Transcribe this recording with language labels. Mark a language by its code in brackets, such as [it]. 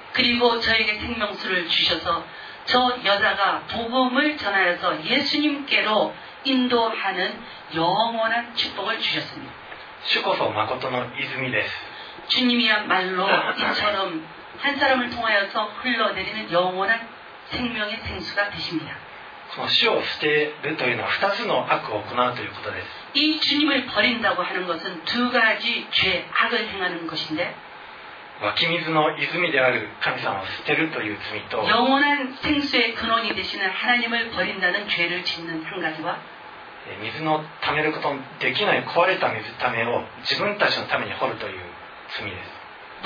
[ko] 그리고저에게생명수를주셔서저여자가복음을전하여서예수님께로인도하는영원한축복을주셨습니다 [ja] 주こそ誠の泉です [ko] 주님이야말로이처럼한사람을통하여서흘러내리는영원한생명의생수가되십니다 [ja] この死を捨てるというのは2つの悪を行うということです [ko] 이주님을버린다고하는것은두가지죄악을행하는것인데 [ja] 湧き水の泉である神様を捨てるという罪と [ko] 영원한생수의근원이되시는하나님을버린다는죄를짓는한가지와 [ja] 水のためることのできない壊れた水ためを自分たちのために掘るという罪です